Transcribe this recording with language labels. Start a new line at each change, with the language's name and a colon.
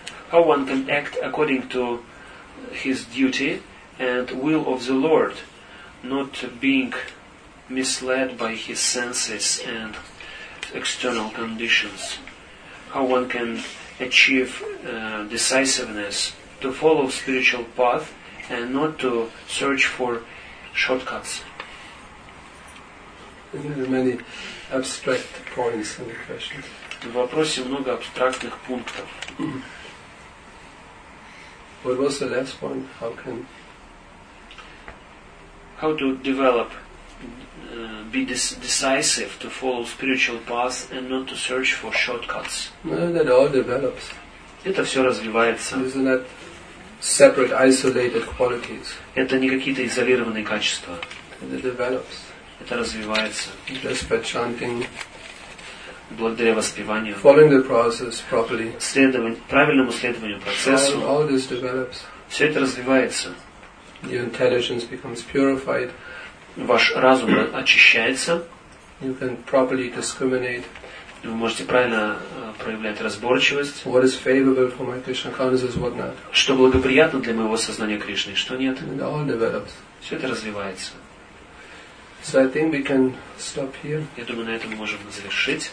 English: How one can act according to his duty and will of the Lord, not being misled by his senses and external conditions. How one can achieve decisiveness to follow spiritual path and not to search for shortcuts. There are many abstract points in the question.
Russian: В вопросе много абстрактных пунктов.
English: What was the last point? How can... How to develop... be decisive to follow spiritual path and not to search for shortcuts. No, that all develops.
Russian: Это все развивается.
English: These are not separate, isolated qualities.
Russian: Это не какие-то изолированные качества.
English: It develops.
Russian: Это развивается.
English: Just by chanting.
Russian: Благодаря воспеванию.
English: Following the process properly.
Russian: Правильному следованию процессу.
English: All this develops.
Russian: Все это развивается.
English: Your intelligence becomes purified.
Russian: Ваш разум очищается.
English: You can properly discriminate.
Russian: Вы можете правильно проявлять разборчивость.
English: What is favorable for my Krishna consciousness, what not?
Russian: Что благоприятно для моего сознания Кришны, что нет?
English: It all develops.
Russian: Все это развивается.
English: So I think we can stop here.
Russian: Я думаю, на этом мы можем завершить.